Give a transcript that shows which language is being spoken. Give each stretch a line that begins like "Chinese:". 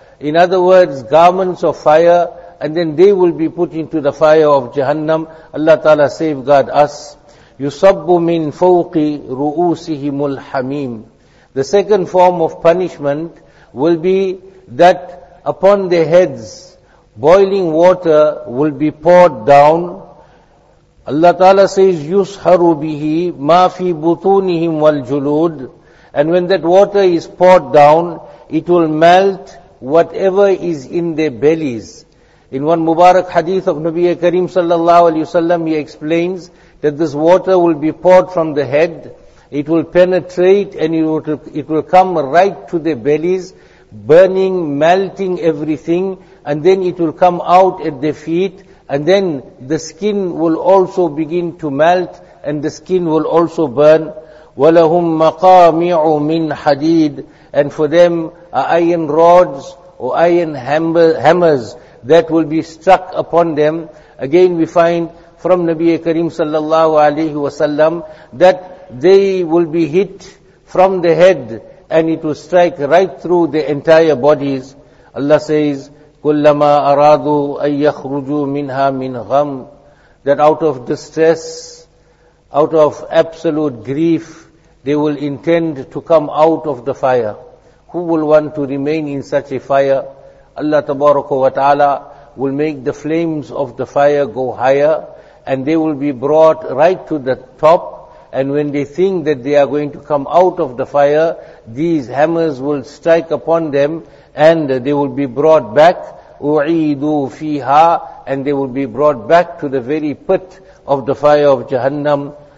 English: In other words, garments of fire, and then they will be put into the fire of Jahannam. Allah Ta'ala safeguard us.
Arabic: يُصَبُّ مِنْ فَوْقِ رُؤُوسِهِمُ الْحَمِيمِ.
English: The second form of punishment will be that upon their heads, boiling water will be poured down. Allah Ta'ala says,
Arabic: يُصْحَرُ بِهِ مَا فِي بُطُونِهِمْ وَالْجُلُودِ.
English: And when that water is poured down, it will melt whatever is in their bellies. In one Mubarak hadith of Nabi Kareem sallallahu alayhi wa sallam, he explains that this water will be poured from the head, it will penetrate and it will come right to their bellies, burning, melting everything, and then it will come out at their feet, and then the skin will also begin to melt, and the skin will also burn.
Arabic: وَلَهُمْ مَقَامِعُ مِنْ حَدِيدٍ.
English: And for them are iron rods or iron hammers that will be struck upon them. Again we find from Nabi Kareem sallallahu alayhi wa sallam that they will be hit from the head and it will strike right through the entire bodies. Allah says,
Arabic: كُلَّمَا أَرَادُوا أَن يَخْرُجُوا مِنْهَا مِنْ غَمْ.
English: That out of distress, out of absolute grief, they will intend to come out of the fire. Who will want to remain in such a fire? Allah tabaraka wa ta'ala will make the flames of the fire go higher, and they will be brought right to the top, and when they think that they are going to come out of the fire, these hammers will strike upon them, and they will be brought back,
Arabic: u'idu fiha,
English: and they will be brought back to the very pit of the fire of Jahannam.